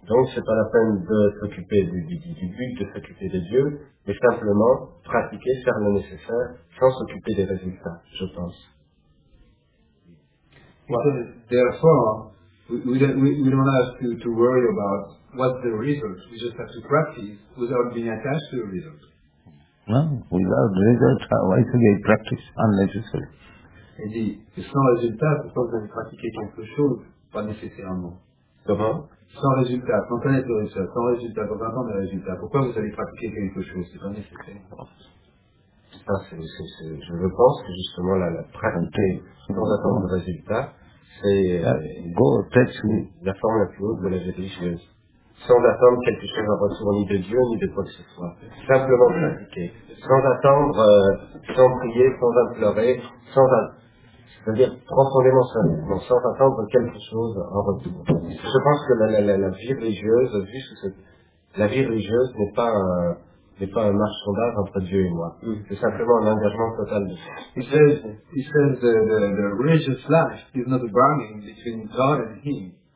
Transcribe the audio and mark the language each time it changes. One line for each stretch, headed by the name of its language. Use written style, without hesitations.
French: Donc, ce n'est pas la peine de s'occuper du but, de s'occuper de Dieu, mais simplement pratiquer, faire le nécessaire, sans s'occuper des résultats, je pense.
English: Well, therefore, we don't have to worry about what's the result. We just have to practice without being attached to the result. No, without the result, why should we practice unnecessary?
French: Indeed, sans résultat, c'est pas que vous avez pratiqué quelque chose, pas nécessairement. Comment? Sans résultat, sans connaître le résultat, sans résultat, sans attendre le résultat, pourquoi vous avez pratiqué quelque chose, c'est pas nécessaire. Je pense que justement la pratique sans attendre le résultat, c'est la forme la plus haute de la vie religieuse. Sans attendre quelque chose en retour, ni de Dieu, ni de quoi que ce soit. Simplement pratiquer. Sans attendre, sans prier, sans implorer, c'est-à-dire profondément simplement, sans attendre quelque chose en retour. Je pense que la vie religieuse, la vie religieuse n'est pas un marchandage entre Dieu et moi. C'est simplement un engagement total de ça.
English: He says the religious life is not a bargain between God and him.